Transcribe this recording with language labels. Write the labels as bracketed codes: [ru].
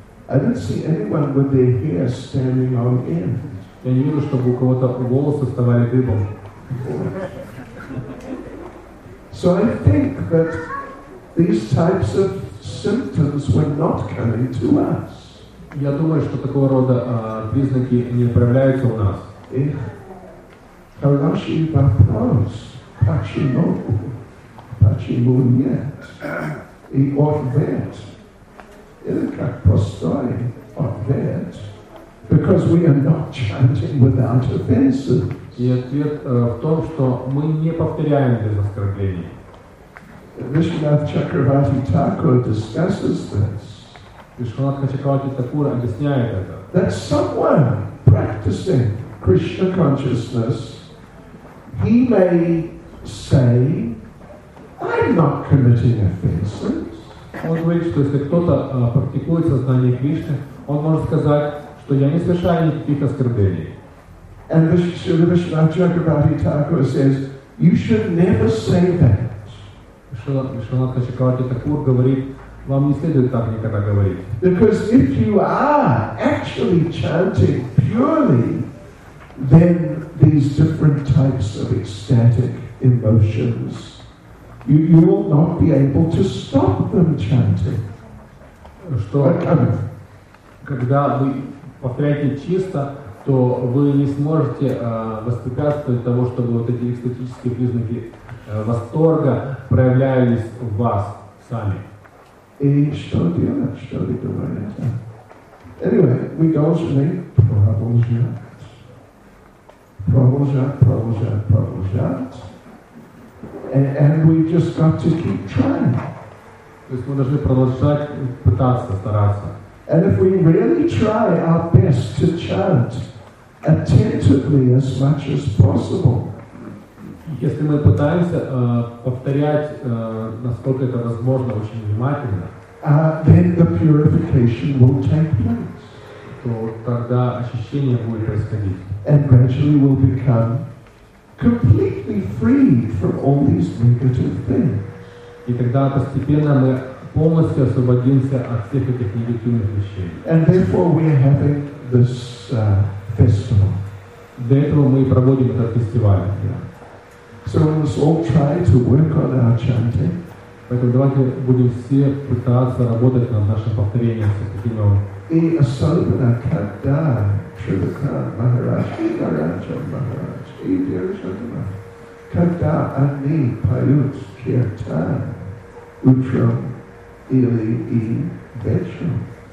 [en] I didn't see anyone with their hair standing on end. [ru] Я не видел, чтобы у кого-то волосы вставали дыбом. [en] So I think that these types of symptoms were not coming to us. [ru] Я думаю, что такого рода признаки не проявляются у нас. Хороший вопрос. Почему? Почему нет? И ответ. Это как простой ответ. [en] Because we are not chanting without offenses. [ru] И ответ в том, что мы не повторяем без оскорблений. [en] Вишванатха Чакравати Тхакур discusses this. [ru] Вишванатха Чакравати Тхакур объясняет это. [en] That someone practicing Krishna consciousness, he may say, I'm not committing offenses. [ru] Он говорит, что если кто-то практикует сознание Кришны, он может сказать, что я не совершаю никаких оскорблений. [en] And Vishnu Chakravarti Thakur says, you should never say that. [ru] Vishnu Chakravarti Thakur говорит, вам не следует так никогда говорить. [en] Because if you are actually chanting purely, then these different types of ecstatic emotions, you will not be able to stop them chanting. [ru] Что когда вы повторяете чисто, то вы не сможете воспрепятствовать того, чтобы вот эти экстатические признаки восторга проявлялись в вас сами. И что делать? Что вы думаете? [en] Anyway, we [ru] должны продолжать. [en] And we just got to keep trying. [ru] То есть мы должны продолжать пытаться, стараться. [en] And if we really try our best to chant attentively as much as possible, [ru] если мы пытаемся повторять насколько это возможно очень внимательно, [en] then the purification will take place. [ru] То тогда очищение будет происходить. [en] And gradually we'll become completely free from all these negative things. [ru] И тогда постепенно мы полностью освободимся от всех этих негативных вещей. [en] And therefore we are having this festival. [ru] Для этого мы и проводим этот фестиваль. [en] Yeah. So let's all try to work on our chanting. [ru] Поэтому давайте будем все пытаться работать над нашим повторением святого. И особенно когда Шрила Махарадж, Махарадж, Махарадж, и Дхирашатма, когда они поют киртан, утром, или и вечером.